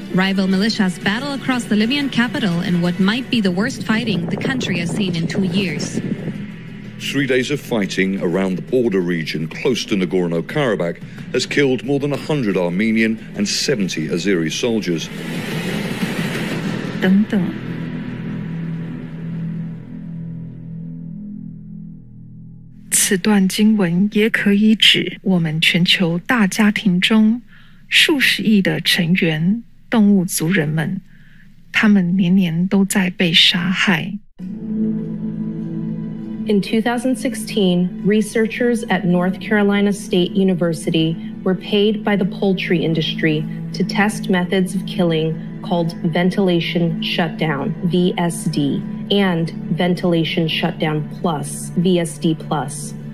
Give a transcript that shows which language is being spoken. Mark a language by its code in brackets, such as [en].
[en] Rival militias battle across the Libyan capital in what might be the worst fighting the country has seen in 2 years. 3 days of fighting around the border region close to Nagorno-Karabakh has killed more than 100 Armenian and 70 Azeri soldiers. [zh] 等等，此段经文也可以指我们全球大家庭中数十亿的成员动物族人们，他们年年都在被杀害。 [en] In 2016, researchers at North Carolina State University were paid by the poultry industry to test methods of killing called ventilation shutdown, VSD, and ventilation shutdown plus, VSD plus.